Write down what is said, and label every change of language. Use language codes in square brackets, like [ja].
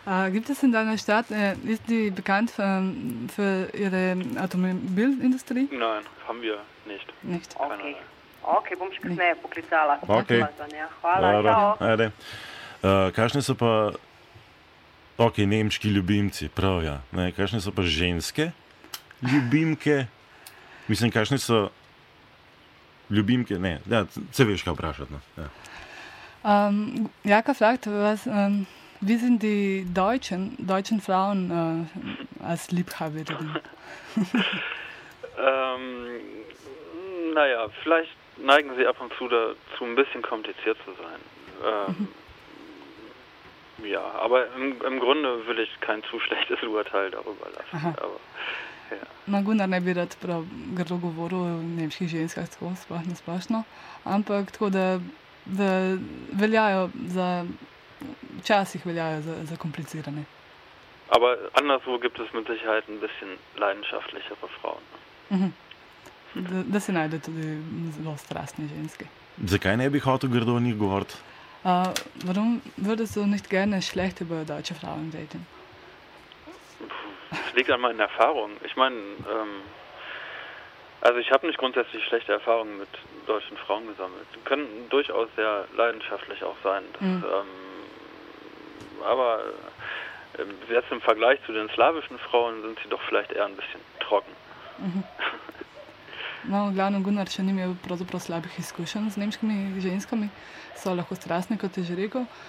[de] Gibt es in deiner Stadt, ist die bekannt für ihre Automobilindustrie? Nein, haben wir nicht. Nicht. [sl] Okay, bom še kasneje poklicala. Okay. Hvala, dobro. Čao. Ajde. Kakšne so pa, okay, nemški ljubimci, prav ja. Ne, kakšne so pa ženske ljubimke? Mislim, kakšne so... Ljubimke, ne, ja, se veš, kaj vprašati. No. Ja. [de] Jaka fragt, wie sind die deutschen Frauen als Liebhaberin? Naja, vielleicht neigen sie ab und zu dazu, ein bisschen kompliziert zu sein. ja, aber im Grunde will ich kein zu schlechtes Urteil darüber lassen. [sl] No, Gunnar ne bi rad prav grlo govoril o nemških ženskah, tako sploh na splošno, ampak tako, da veljajo za, včasih veljajo za komplicirane. [de] Aber anderswo gibt es mit Sicherheit ein bisschen leidenschaftlichere Frauen. [sl] Da se najde tudi zelo strastne ženske. Zakaj ne bi hotel grdo o njih govoriti? [de] Warum würdest du nicht gerne schlecht über deutsche Frauen reden? Das liegt an meinen Erfahrungen. Ich meine, ich habe nicht grundsätzlich schlechte Erfahrungen mit deutschen Frauen gesammelt. Die können durchaus sehr leidenschaftlich auch sein. Aber jetzt im Vergleich zu den slawischen Frauen sind sie doch vielleicht eher ein bisschen trocken. [sl] No, v glavnem Gunnar še nimel pravzaprav slabih izkušenj z nemškimi ženskami. So lahko strastni, kot je že rekel.